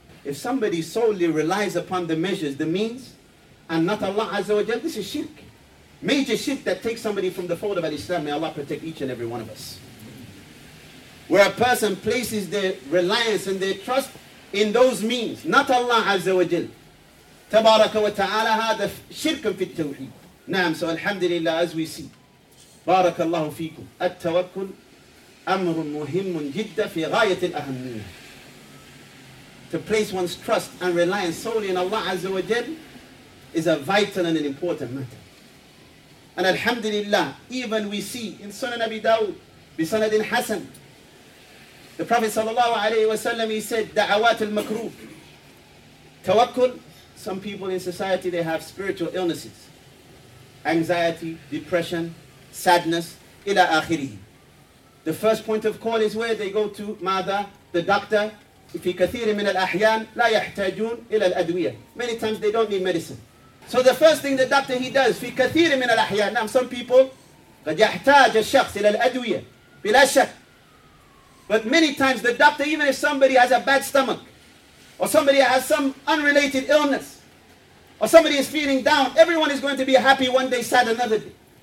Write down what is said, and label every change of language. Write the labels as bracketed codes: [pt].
[en] If somebody solely relies upon the measures, the means, and not Allah Azza wa Jal, this is shirk. Major shirk that takes somebody from the fold of Al-Islam. May Allah protect each and every one of us. Where a person places their reliance and their trust in those means, not Allah Azza wa Jal. [ar] Tabaraka wa ta'ala, hada shirkun fit tawheed. Naam, [en] so alhamdulillah, as we see, [ar] بارك الله فيكم التوكل أمر مهم جدا في غاية الأهمية. [en] To place one's trust and reliance solely in Allah Azza wa Jal is a vital and an important matter. And alhamdulillah, even we see in Sunan Abi Dawud [ar] بسند حسن, [en] the Prophet صلى الله عليه وسلم, he said [ar] دعوات المكروه توكل. [en] Some people in society, they have spiritual illnesses, anxiety, depression, sadness, [ar] ila akhirihi. [en] The first point of call is where they go to mada, the doctor. [ar] في كثير من الأحيان لا يحتاجون إلى الأدوية. [en] Many times they don't need medicine. So the first thing the doctor he does, [ar] في كثير من الأحيان, [en] now some people, [ar] قد يحتاج الشخص إلى الأدوية بلا شك. [en] But many times the doctor, even if somebody has a bad stomach, or somebody has some unrelated illness, or somebody is feeling down, everyone is going to be happy one day, sad another day.